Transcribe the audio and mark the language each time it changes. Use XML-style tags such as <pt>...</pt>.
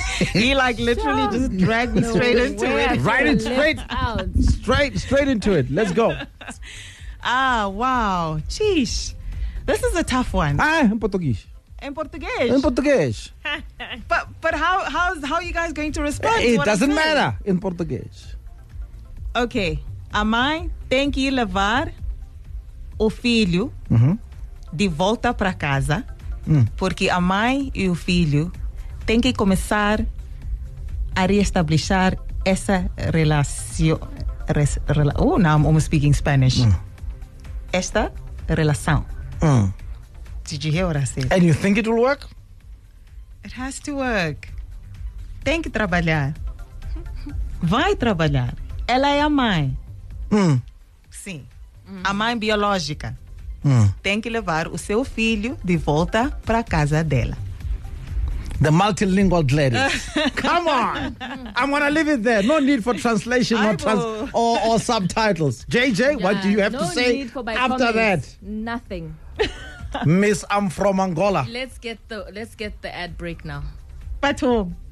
<en>He like literally just dragged me straight into it. Straight into it. Let's go. Ah, wow. Sheesh. This is a tough one.</en> <pt>Ah, em português.</pt> <en>In Portuguese. In Portuguese. But how are you guys going to respond? It doesn't matter. In Portuguese. Okay.</en> <pt>Amai, tem que levar o filho de volta para casa. Porque a mãe e o filho têm que começar a reestabelecer essa relação.</pt> <en>Now I'm almost speaking Spanish.</en> <pt>Esta relação.</pt> <en>Did you hear what I said? And you think it will work? It has to work.</en> <pt>Tem que trabalhar. Vai trabalhar. Ela é a mãe. Sim. A mãe biológica. Tem que levar o seu filho de volta para casa dela.</pt> <en>The multilingual Gladys. Come on. I'm going to leave it there. No need for translation or subtitles. JJ, yeah, what do you have no to say need for by after comments. That? Nothing. Miss, I'm from Angola. Let's get the ad break now. But who?</en>